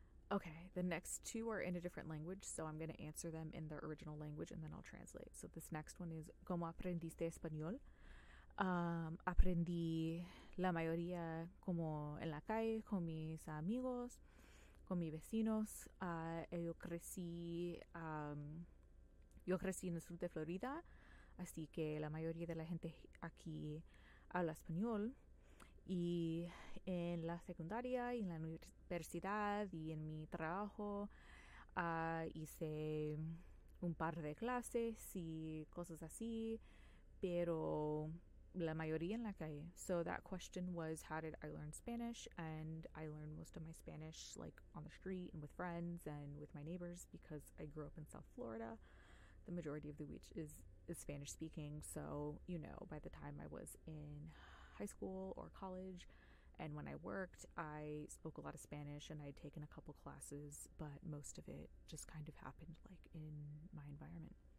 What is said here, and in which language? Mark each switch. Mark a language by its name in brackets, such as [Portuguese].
[English] Okay, the next two are in a different language, so I'm gonna answer them in their original language and then I'll translate. So this next one is, [Spanish] ¿cómo aprendiste español? Aprendí la mayoría como en la calle con mis amigos, con mis vecinos. Yo crecí en el sur de Florida, así que la mayoría de la gente aquí habla español. Y en la secundaria y en la universidad y en mi trabajo hice un par de clases y cosas así, pero la mayoría en la calle. [English] So that question was, how did I learn Spanish? And I learned most of my Spanish like on the street and with friends and with my neighbors, because I grew up in South Florida. The majority of the week is Spanish speaking. So, you know, by the time I was in high school or college and when I worked, I spoke a lot of Spanish and I'd taken a couple classes, but most of it just kind of happened like in my environment.